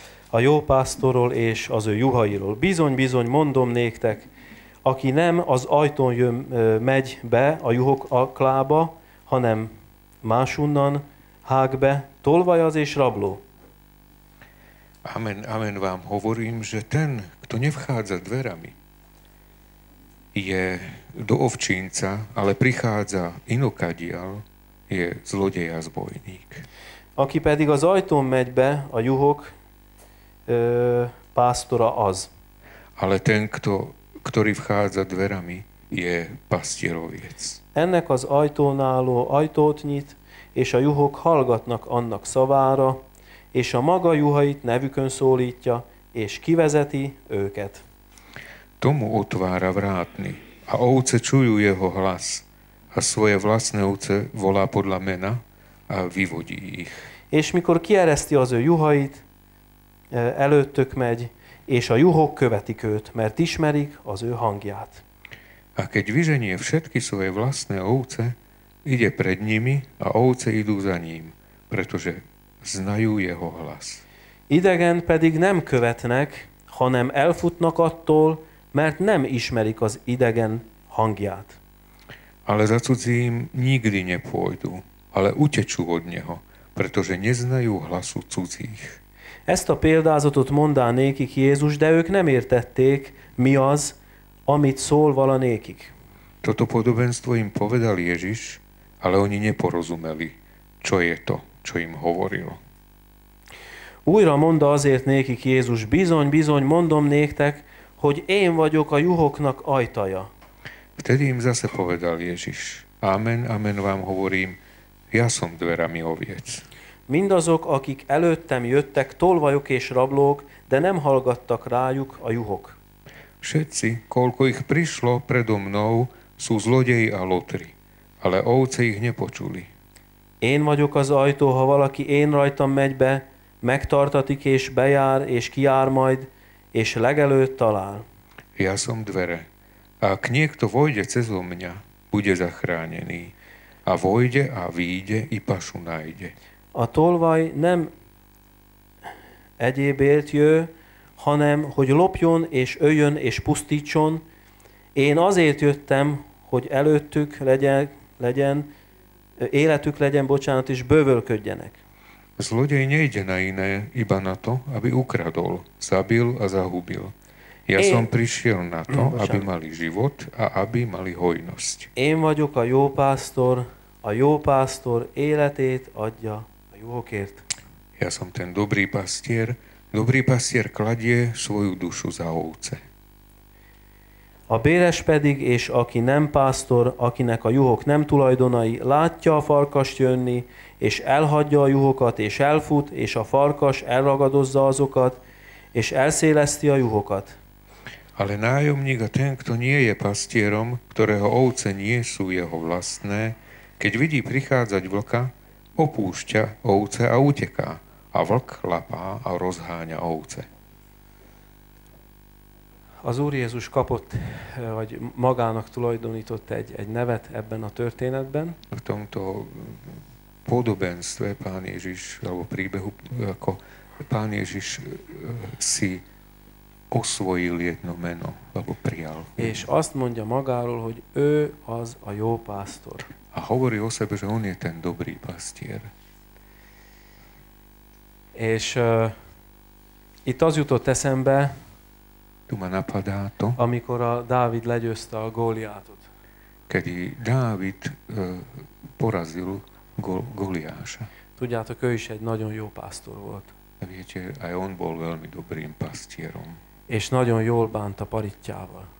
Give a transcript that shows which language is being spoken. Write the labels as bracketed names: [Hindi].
[Hungarian] A jó pásztorról és az ő juhairól. Bizony-bizony mondom néktek, aki nem az ajtón jön, megy be a juhok aklába, hanem másunnan hág be, tolvaj az és rabló. [Slovak] Amen, amen vám hovorím, že ten, kto nevchádza dverami, je do ovčínca, ale prichádza inokadial, je zlodej a zbojník. [Hungarian] Aki pedig az ajtón megy be a juhok pástora az. [Slovak] Ale ten, ktorý vchádza dverami, je pastieroviec. [Hungarian] Ennek az ajtón álló ajtót nyit, és a juhok hallgatnak annak szavára, és a maga juhait nevükön szólítja, és kivezeti őket. [Slovak] Tomu otvára vrátni, a ovce čujú jeho hlas, a svoje vlastné ovce volá podľa mena, a vyvodí ich. [Hungarian] És mikor kiereszti az ő juhait, előttök megy, és a juhok követik őt, mert ismerik az ő hangját. [Slovak] A keď vyženie všetky svoje vlastné ovce, ide pred nimi, a ovce idú za ním, pretože znajú jeho hlas. [Hungarian] Idegen pedig nem követnek, hanem elfutnak attól, mert nem ismerik az idegen hangját. [Slovak] Ale za cudzím nikdy nepôjdu, ale utečú od neho, pretože neznajú hlasu cudzích. [Hungarian] Ezt a példázatot mondá nékik Jézus, de ők nem értették, mi az, amit szól vala nékik. [Slovak] Toto podobenstvo im povedal Ježiš, ale oni neporozumeli, čo je to, čo im hovoril. [Hungarian] Újra mondta azért nékik Jézus, bizony, bizony, mondom néktek, hogy én vagyok a juhoknak ajtaja. [Slovak] Vtedy im zase povedal Ježiš, amen, amen vám hovorím, ja som dverami oviec. [Hungarian] Mindazok, akik előttem jöttek, tolvajok és rablók, de nem hallgattak rájuk a juhok. [Slovak] Všetci, koľko ich prišlo predo mnou, sú zlodeji a lotri, ale ovce ich nepočuli. [Hungarian] Én vagyok az ajtó, ha valaki én rajtam megy be, megtartatik és bejár, és kijár majd, és legelőtt talál. [Slovak] Ja som dvere. A ak niekto vojde cezo mňa, bude zachránený. A vojde a výjde, i pašu nájde. [Hungarian] A tolvaj nem egyébért jő, hanem hogy lopjon és öljön és pusztítson. Én azért jöttem, hogy előttük legyen életük legyen, bocsánat, és bővölködjenek. [Slovak] Zlodej nejde na iné, iba na to, aby ukradol, zabil a zahubil. Ja som prišiel na to, aby mali život a aby mali hojnosť. [Hungarian] Én vagyok a jó pásztor életét adja a juhokért. [Slovak] Ja som ten dobrý pastier kladie svoju dušu za ovce. [Hungarian] A béres pedig, és aki nem pásztor, akinek a juhok nem tulajdonai, látja a farkast jönni, és elhagyja a juhokat, és elfut, és a farkas elragadozza azokat, és elszéleszti a juhokat. [Slovak] Ale nájomník a ten, kto nie je pastierom, ktorého ovce nie sú jeho vlastné, keď vidí prichádzať vlka, opúšťa ovce a uteká, a vlk lapá a rozháňa ovce. [Hungarian] Az Úr Jézus kapott, vagy magának tulajdonított egy nevet ebben a történetben. [Slovak] V tomto podobenstve Pán Ježiš, alebo príbehu, ako Pán Ježiš si osvojil jedno meno, alebo prijal. [Hungarian] És azt mondja magáról, hogy ő az a jó pásztor. [Slovak] A hovorí o sebe, že on je ten dobrý pastier. [Hungarian] És itt az jutott eszembe, [Slovak] tu ma napadá to, [Hungarian] amikor a Dávid legyőzte a Góliátot. [Slovak] Kedy Dávid porazil Góliáša. [Hungarian] Tudjátok, ő is egy nagyon jó pásztor volt. [Slovak] Viete, aj on bol veľmi dobrým pastierom. [Hungarian] És nagyon jól bánt a parittyával.